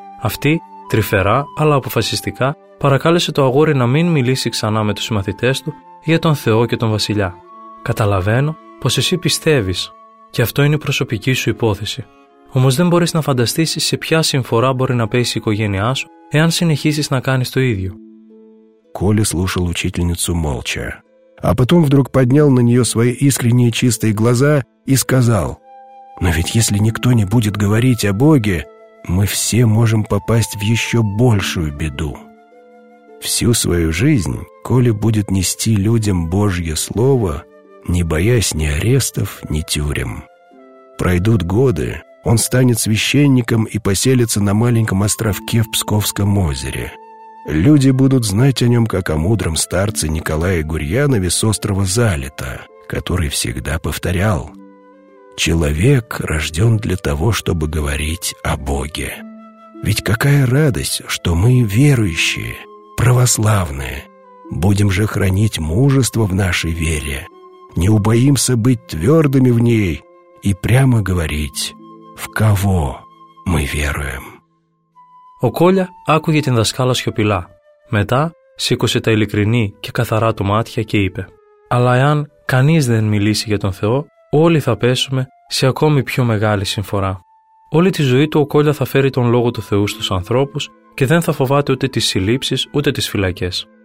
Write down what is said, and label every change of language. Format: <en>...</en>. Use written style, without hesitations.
<el>Αυτή, τρυφερά αλλά αποφασιστικά, παρακάλεσε το αγόρι να μην μιλήσει ξανά με τους συμμαθητές του για τον Θεό και τον Βασιλιά. «Καταλαβαίνω πως εσύ πιστεύεις και αυτό είναι η προσωπική σου υπόθεση. Όμως δεν μπορείς να φανταστήσεις σε ποια συμφορά μπορεί να πέσει η οικογένειά σου εάν συνεχίσεις να κάνεις το ίδιο».</el> <ru>Коля слушал учительницу молча, а потом вдруг поднял на нее свои искренние чистые глаза и сказал: «Но ведь если никто не будет говорить о Боге, мы все можем попасть в еще большую беду». Всю свою жизнь Коля будет нести людям Божье Слово, не боясь ни арестов, ни тюрем. Пройдут годы, он станет священником и поселится на маленьком островке в Псковском озере. Люди будут знать о нем как о мудром старце Николае Гурьянове с острова Залита, который всегда повторял: «Человек рожден для того, чтобы говорить о Боге. Ведь какая радость, что мы верующие, православные, будем же хранить мужество в нашей вере, не убоимся быть твердыми в ней и прямо говорить, в кого мы веруем».</ru> <el>Ο Κόλια άκουγε την δασκάλα σιωπηλά. Μετά σήκωσε τα ειλικρινή και καθαρά του μάτια και είπε: «Αλλά εάν κανείς δεν μιλήσει για τον Θεό, όλοι θα πέσουμε σε ακόμη πιο μεγάλη συμφορά. Όλη τη ζωή του ο Κόλια θα φέρει τον λόγο του Θεού στους ανθρώπους και δεν θα φοβάται ούτε τις συλλήψεις ούτε τις φυλακές.</el>